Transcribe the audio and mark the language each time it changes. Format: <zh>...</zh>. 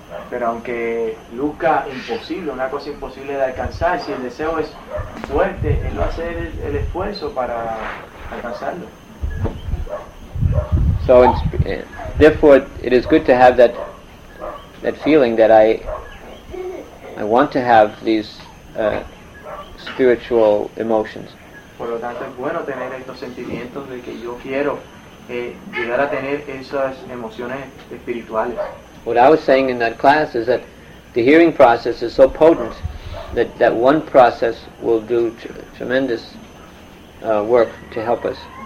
<es>Pero aunque luzca imposible, una cosa imposible de alcanzar, si el deseo es fuerte, él va a hacer el esfuerzo para alcanzarlo.</es> <en>So, therefore, it is good to have that feeling that I want to have these spiritual emotions.</en> <es>Por lo tanto, es bueno tener estos sentimientos de que yo quiero llegar a tener esas emociones espirituales.</es> <en>What I was saying in that class is that the hearing process is so potent that one process will do tremendous work to help us.</en>